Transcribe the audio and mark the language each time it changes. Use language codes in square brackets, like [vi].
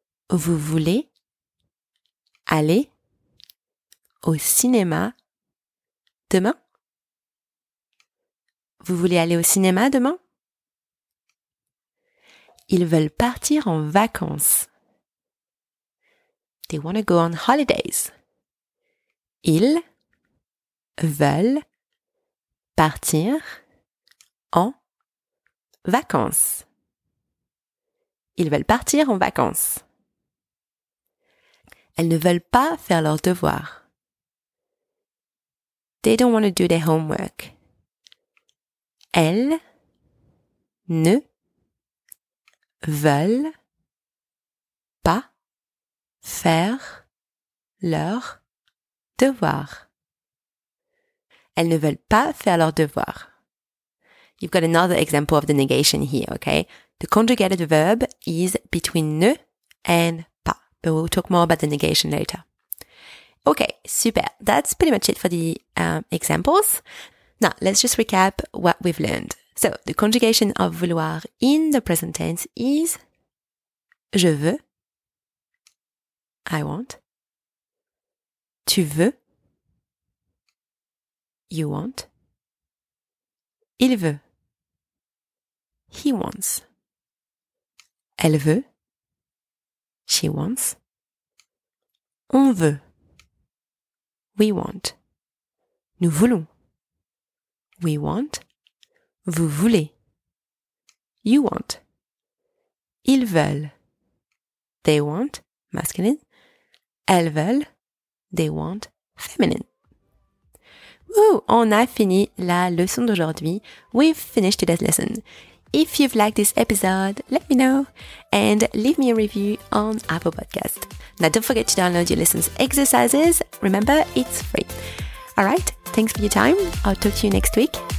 [fr] Vous voulez aller au cinéma demain? Vous voulez aller au cinéma demain? Ils veulent partir en vacances. [en] They want to go on holidays. [fr] Ils veulent partir en vacances. Ils veulent partir en vacances. Elles ne veulent pas faire leurs devoirs. [en] They don't want to do their homework. [fr] Elles ne veulent pas faire leurs devoirs. Elles ne veulent pas faire leurs devoirs. [en] You've got another example of the negation here, okay? The conjugated verb is between ne and pas. But we'll talk more about the negation later. Okay, super. That's pretty much it for the examples. Now, let's just recap what we've learned. So, the conjugation of vouloir in the present tense is [fr] je veux, [en] I want, [fr] tu veux, [en] you want, [fr] il veut, [en] he wants, [fr] elle veut, [en] she wants, [fr] on veut, [en] we want, [fr] nous voulons, [en] we want, [fr] vous voulez, [en] you want, [fr] ils veulent, [en] they want, masculine, [fr] elles veulent, [en] they want, feminine. [fr] Ooh, on a fini la leçon d'aujourd'hui. [en] We've finished today's lesson. If you've liked this episode, let me know and leave me a review on Apple Podcast. Now, don't forget to download your lessons exercises. Remember, it's free. All right, thanks for your time. I'll talk to you next week.